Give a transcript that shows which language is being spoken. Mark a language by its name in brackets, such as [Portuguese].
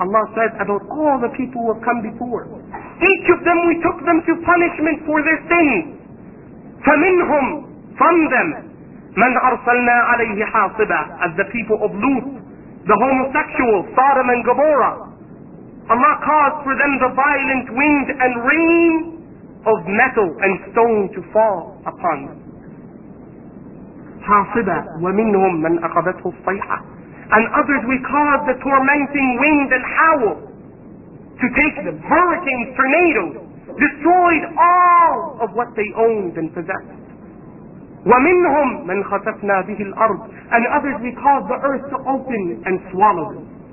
[English] Allah says about all the people who have come before, each of them we took them to punishment for their sins. [Arabic] فَمِنْهُمْ. [English] From them. [Arabic] من أرسلنا عليه حاصبا, [English] as the people of Lut, the homosexuals, Sodom and Gomorrah. Allah caused for them the violent wind and rain of metal and stone to fall upon them. [Arabic] حاصبا ومنهم من أخذته الصيحة. [English] And others we caused the tormenting wind and howl to take them. Hurricanes, tornadoes, destroyed all of what they owned and possessed. [Arabic] وَمِنْهُمْ مَنْ خَسَفْنَا بِهِ الْأَرْضِ. [English] And others we caused the earth to open and swallow them.